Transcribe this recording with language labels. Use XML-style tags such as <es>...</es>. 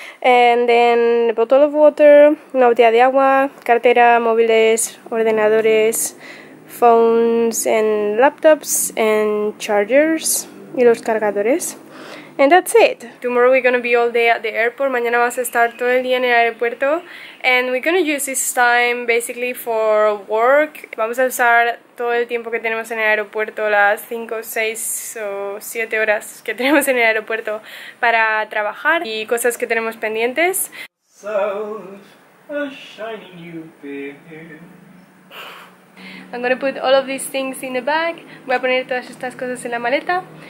<en>And then a bottle of water,</en> <es>una botella de agua, cartera, móviles, ordenadores,</es> <en>phones and laptops and chargers</en> <es>y los cargadores.</es> <en>And that's it. Tomorrow we're gonna be all day at the airport.</en> <es>Mañana vas a estar todo el día en el aeropuerto.</es> <en>And we're gonna use this time basically for work.</en> <es>Vamos a usar todo el tiempo que tenemos en el aeropuerto, las 5, 6 o 7 horas que tenemos en el aeropuerto, para trabajar y cosas que tenemos pendientes.</es> <en>So, a shiny new baby. I'm going to put all of these things in the bag.</en> <es>Voy a poner todas estas cosas en la maleta.</es>